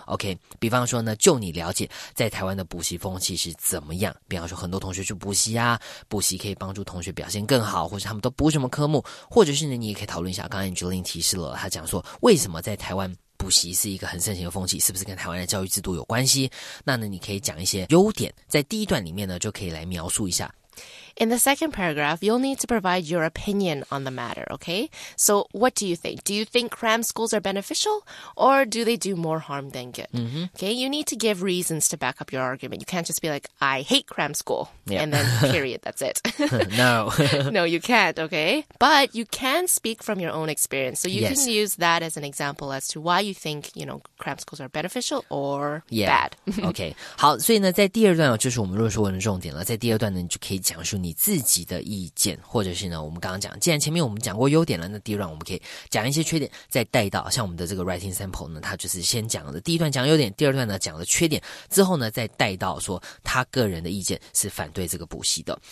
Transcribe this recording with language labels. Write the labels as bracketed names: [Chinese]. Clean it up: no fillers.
[Chinese] OK， 比方说呢，就你了解在台湾的补习风气是怎么样，比方说很多同学去补习啊，补习可以帮助同学表现更好，或是他们都补什么科目，或者是呢你也可以讨论一下刚才 Angeline 提示了，他讲说为什么在台湾补习是一个很盛行的风气，是不是跟台湾的教育制度有关系。那呢你可以讲一些优点，在第一段里面呢就可以来描述一下。 [English] In the second paragraph, you'll need to provide your opinion on the matter, okay? So what do you think? Do you think cram schools are beneficial, or do they do more harm than good? Mm-hmm. Okay, you need to give reasons to back up your argument. You can't just be like, I hate cram school, yeah. and then period, that's it. No. No, you can't, okay? But you can speak from your own experience. So you yes. can use that as an example as to why you think, you know, cram schools are beneficial or yeah. bad. [Chinese] Okay, 好，所以呢，在第二段，就是我们论述文的重点了。在第二段呢，你就可以讲述你自己的意见，或者是呢我们刚刚讲，既然前面我们讲过优点了，那第一段我们可以讲一些缺点，再带到像我们的这个 writing sample 呢，他就是先讲了第一段讲优点，第二段呢讲了缺点，之后呢再带到说他个人的意见是反对这个补习的。